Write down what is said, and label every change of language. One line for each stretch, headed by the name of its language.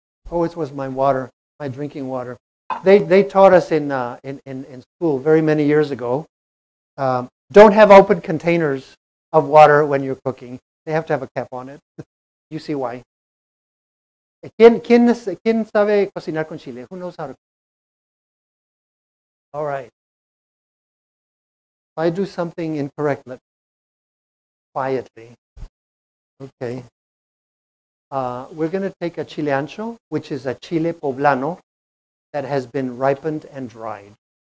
English: Oh, it was my water, my drinking water. They taught us in school very many years ago. Don't have open containers of water when you're cooking. They have to have a cap on it. You see why?
Spanish: ¿Quién sabe cocinar con chile?
English: Who knows how to cook? All right. If I do something incorrect, let me quietly. Okay. We're going to take a chile ancho, which is a chile poblano that has been ripened and dried.